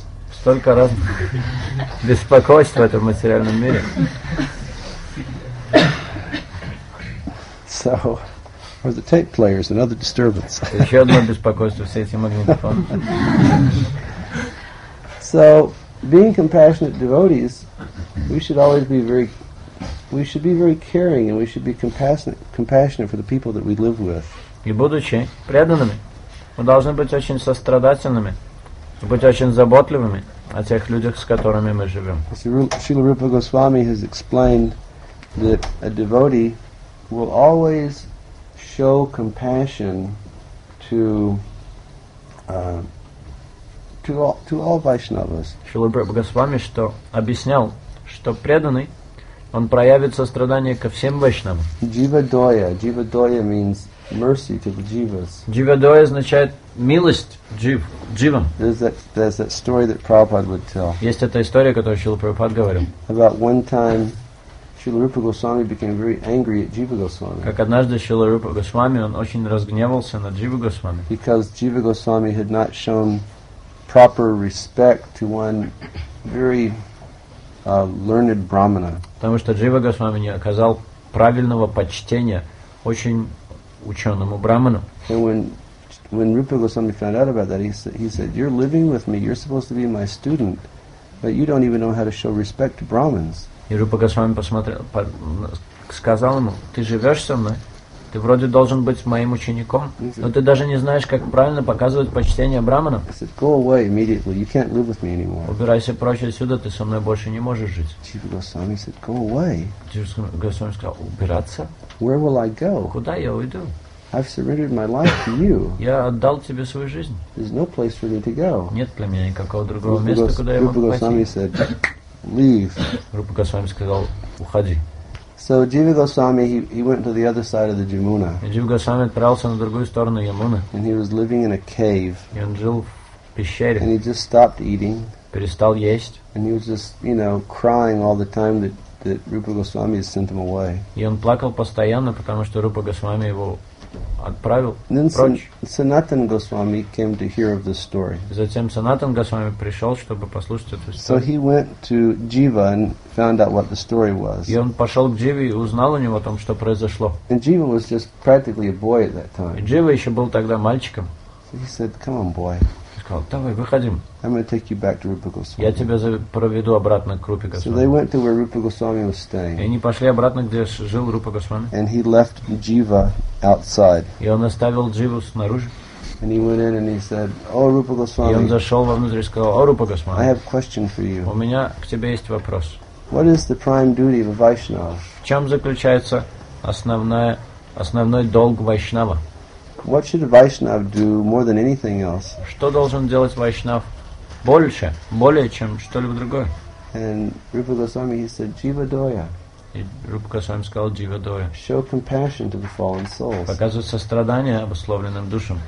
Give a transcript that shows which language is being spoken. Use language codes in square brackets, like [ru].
[ru] Столько разных беспокойств в этом материальном мире. [en] So, or the tape players, another disturbance. [ru] Еще одно беспокойство с этим магнитофоном. [en] So, being compassionate devotees, we should always be very, we should be very caring, and we should be compassionate for the people that we live with. [ru] И будучи преданными, мы должны быть очень сострадательными, быть очень заботливыми о тех людях, с которыми мы живем. [en] Srila Rupa Goswami has explained that a devotee will always show compassion to all Vaishnavas. [ru] Srila Rupa Goswami что объяснял, что преданный он проявит сострадание ко всем вайшнавам. [en] Jiva doya means mercy to the jivas. [ru] Jiva doya означает милость дживам. [en] There's that story that Prabhupada would tell. [ru] Есть эта история, которую Шрила Прабхупада говорил. [en] About one time, Srila Rupa Goswami became very angry at Jiva Goswami. [ru] Как однажды Шрила Рупа Госвами он очень разгневался на Джива Госвами. [en] Because Jiva Goswami had not shown proper respect to one very learned brahmana. [ru] Потому что Джива Госвами не оказал правильного почтения очень ученому брахману. [en] When Rupa Goswami found out about that, he said, "You're living with me. You're supposed to be my student, but you don't even know how to show respect to Brahmins." [ru] И Рупа Госвами посмотрел, сказал ему: "Ты живешь со мной, ты вроде должен быть моим учеником, но ты даже не знаешь, как правильно показывать почтение брахманам." [en] He said, "Go away immediately. You can't live with me anymore." [ru] Убирайся прочь отсюда, ты со мной больше не можешь жить. [en] Rupa Goswami said, "Go away." [ru] Госвами сказал: "Убираться? [en] Where will I go? [ru] Куда я уйду?" [en] I've surrendered my life to you. [ru] Я отдал тебе свою жизнь. [en] There's no place for me to go. [ru] Нет для меня никакого другого места, куда я могу пойти. [en] Rupa Goswami said, "Leave." [ru] Rupa Goswami сказал, уходи. [en] So Jiva Goswami he went to the other side of the Yamuna. [ru] Jiva Goswami отправился на другую сторону Ямуны. [en] And he was living in a cave. [ru] И он жил в пещере. [en] And he just stopped eating. [ru] Перестал есть. [en] And he was just, you know, crying all the time that Rupa Goswami had sent him away. [ru] И он плакал постоянно, потому что Rupa Goswami его отправил прочь. [en] Sanatan Goswami came to hear of this story. [ru] Затем Sanatan Goswami пришел, чтобы послушать эту историю. [en] So he went to Jiva and found out what the story was. [ru] И он пошел к Дживе и узнал у него о том, что произошло. [en] And Jiva was just practically a boy at that time. [ru] И Джива еще был тогда мальчиком. [en] So he said, "Come on, boy." [ru] Он сказал: "Давай, выходим. [en] I'm going to take you back to Rupa Goswami." [ru] Я тебя проведу обратно к Рупе Госвами. [en] So they went to where Rupa Goswami was staying. [ru] И они пошли обратно, где жил Рупа Госвами. [en] And he left Jiva outside. [ru] И он оставил Дживу снаружи. [en] And he went in and he said, "О, Рупа Госвами." [ru] И он зашел вовнутрь и сказал: "О, Рупа Госвами." [en] I have a question for you. [ru] У меня к тебе есть вопрос. [en] What is the prime duty of a Vaishnava? [ru] В чем заключается основной долг Вайшнава? [en] What should a Vaishnava do more than anything else? [ru] Что должен делать Вайшнав более чем что-либо другое? [en] And Rupa Goswami he said, "Jiva doya." [ru] И Рупа Госвами сказал: "Jiva doya." [en] Show compassion to the fallen souls. [ru] Показывать сострадание обусловленным душам.